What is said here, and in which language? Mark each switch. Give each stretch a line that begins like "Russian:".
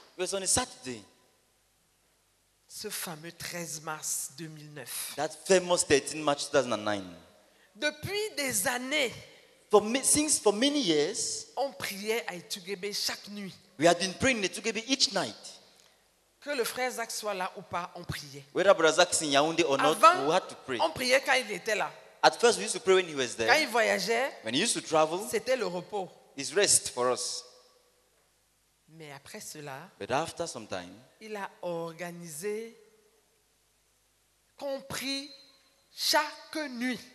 English: It was on a Saturday.
French: Ce fameux 13 mars
English: 2009. That famous 13 March 2009.
French: Depuis des années,
English: For many years,
French: on priait à Etugebe chaque nuit.
English: We had been praying in Etugebe each night.
French: Que le frère Zach soit là ou pas, on priait.
English: Whether Brother Zach is in Yaoundé or not,
French: avant,
English: we had to pray.
French: On priait quand il était là.
English: At first, we used to pray when he was there.
French: Quand il voyageait,
English: when he used to travel,
French: c'était le repos.
English: His rest for us.
French: Mais après cela,
English: but after some time,
French: il a organisé, compris chaque nuit.